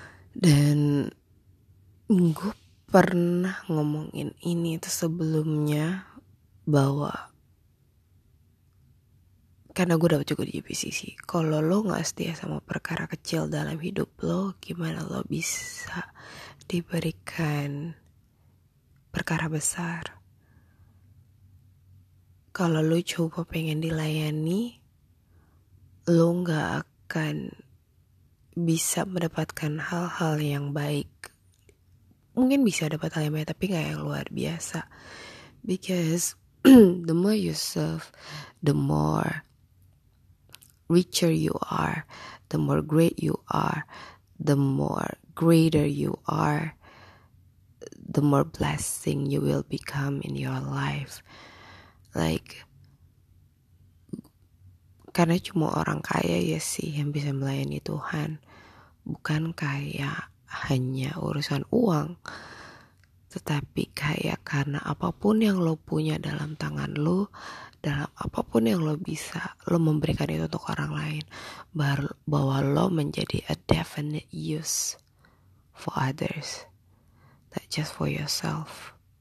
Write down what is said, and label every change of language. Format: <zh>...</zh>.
<id>Dan gue pernah ngomongin ini itu sebelumnya, bahwa karena gue dapat juga di JPCC, kalau lo gak setia sama perkara kecil dalam hidup lo, gimana lo bisa diberikan perkara besar? Kalau lo coba pengen dilayani, lo gak akan bisa mendapatkan hal-hal yang baik. Mungkin bisa dapat hal yang baik, tapi gak yang luar biasa.</id> <en>Because the more you serve, the more richer you are, the more great you are, the more greater you are, the more blessing you will become in your life.</en> <id>Like, karena cuma orang kaya ya sih yang bisa melayani Tuhan. Bukan kaya hanya urusan uang, tetapi kaya karena apapun yang lo punya dalam tangan lo, dalam apapun yang lo bisa, lo memberikan itu untuk orang lain, bahwa lo menjadi</id> <en>a definite use for others, not just for yourself.</en>